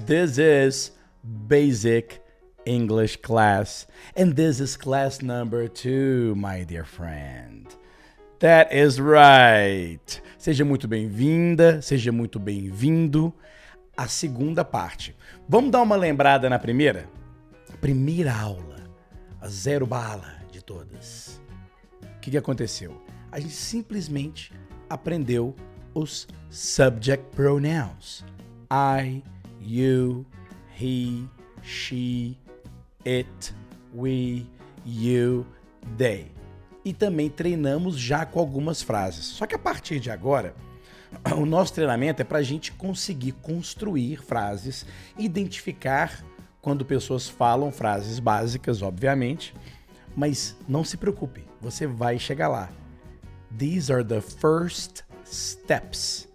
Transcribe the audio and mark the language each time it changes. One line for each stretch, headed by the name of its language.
English: This is Basic English Class, and this is class number 2, my dear friend. That is right.
Portuguese: Seja muito bem-vinda, seja muito bem-vindo à segunda parte. Vamos dar uma lembrada na primeira? Primeira aula, a zero bala de todas. O que aconteceu? A gente simplesmente aprendeu os subject pronouns.
English: I, you, he, she, it, we, you, they.
Portuguese: E também treinamos já com algumas frases. Só que a partir de agora, o nosso treinamento é para a gente conseguir construir frases, identificar quando pessoas falam frases básicas, obviamente. Mas não se preocupe, você vai chegar lá.
English: These are the first steps.